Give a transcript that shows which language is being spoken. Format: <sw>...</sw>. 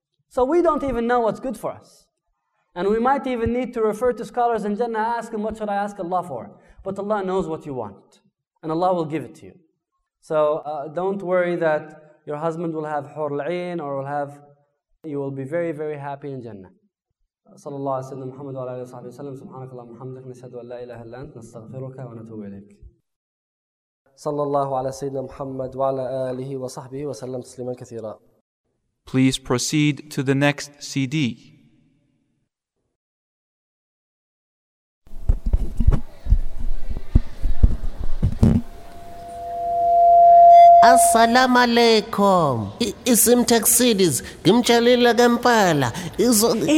<en>So we don't even know what's good for us. And we might even need to refer to scholars in Jannah, ask them, what should I ask Allah for? But Allah knows what you want. And Allah will give it to you. So don't worry that your husband will have Hur al-Ain or will have... You will be very, very happy in Jannah.</en> <ar>صلى الله على سيدنا محمد وعلى آله وصحبه وسلم سبحانك اللهم وبحمدك نشهد أن لا إله إلا أنت نستغفرك ونتوب إليك صلى الله على سيدنا محمد وعلى آله وصحبه وسلم تسليما كثيرا.</ar> <en>Please proceed to the next CD. Assalamu alaikum. Isim taxis gimtshalile kempela izo</en>